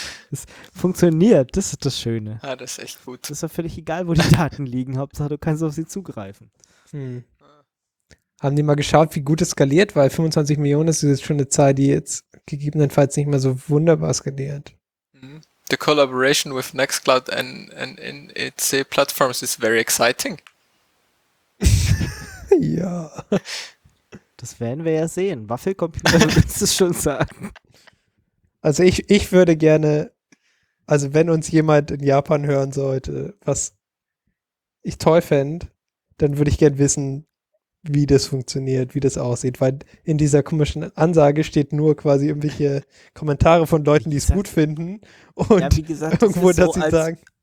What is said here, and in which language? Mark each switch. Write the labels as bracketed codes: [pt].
[de] Das funktioniert. Das ist das Schöne. Ah, das ist echt gut. Das ist doch völlig egal, wo die Daten liegen. Hauptsache, du kannst auf sie zugreifen. Hm. Haben die mal geschaut, wie gut es skaliert? Weil 25 Millionen ist jetzt schon eine Zahl, die jetzt gegebenenfalls nicht mehr so wunderbar skaliert. [en] The collaboration with Nextcloud and in its platforms is very exciting. [de] Ja. Das werden wir ja sehen. Waffelcomputer, willst du schon sagen? Also ich würde gerne, also wenn uns jemand in Japan hören sollte, was ich toll fände, dann würde ich gerne wissen, wie das funktioniert, wie das aussieht, weil in dieser komischen Ansage steht nur quasi irgendwelche Kommentare von Leuten, die es gut finden und ja, wie gesagt, irgendwo, das ist so, dass sie sagen.